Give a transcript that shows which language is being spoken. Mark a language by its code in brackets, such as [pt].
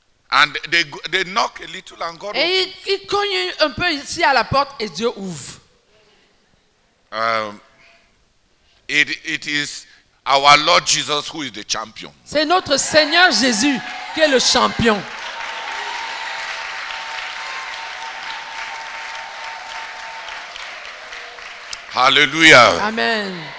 [en] And they knock a little and God. [fr] Et ils cognent un peu ici à la porte et Dieu ouvre. [en] It is our Lord Jesus who is the champion. [fr] C'est notre Seigneur Jésus qui est le champion. Hallelujah. Amen.